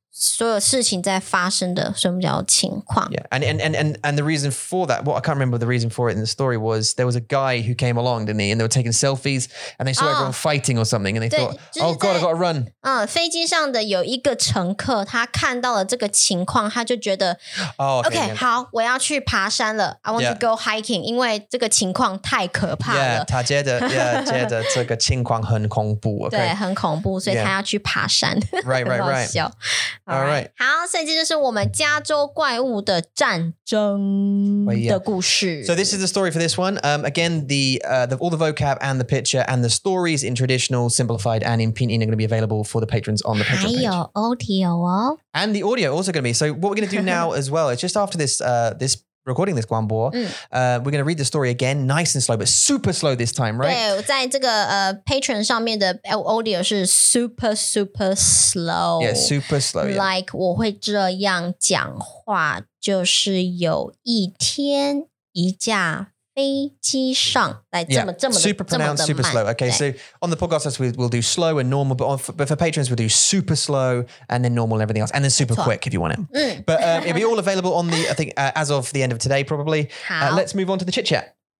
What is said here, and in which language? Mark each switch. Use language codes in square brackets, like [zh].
[zh] 所有事情在发生的,所以我们叫情况。 [en] Yeah, and the reason for that, well, I can't remember the reason for it in the story was there was a guy who came along, didn't he? And they were taking selfies and they saw everyone fighting or something and they [zh] 对, [en] thought, oh God, I've got to run. [zh] 飞机上的有一个乘客, 他看到了这个情况, 他就觉得, [en] oh, okay, okay, yeah. [zh] 好, 我要去爬山了, [en] I want to go hiking, [zh] 因为这个情况太可怕了。 [en] Yeah, [zh] 他觉得这个情况很恐怖, [en] okay? [zh] 对,很恐怖, 所以他要去爬山。 [en] Yeah. Right, right, right. All right. [zh] 好，所以这就是我们加州怪物的战争的故事。 [en] Well, yeah. So this is the story for this one. Again, the all the vocab and the picture and the stories in traditional, simplified, and in Pinyin are going to be available for the patrons on the Patreon page. [zh] 还有 audio 哦。 [en] And the audio also going to be. So what we're going to do now as well is just after this this. Recording this, Guanbo. We're going to read the story again, nice and slow, but super slow this time, right? [zh] 对，在这个Patreon 上面的 audio 是 [en] super super slow. Yeah, super slow. Yeah. Like [zh] 我会这样讲话，就是有一天一架飞机上来这么、 [en] yeah. [zh] 这么的 [en] super pronounced, [zh] 的 [en] super slow. Okay, so on the podcast, we'll do slow and normal, but for patrons, we'll do super slow and then normal and everything else, and then super quick if you want it. But it'll be all available on the, I think, as of the end of today, probably. Let's move on to the chit chat.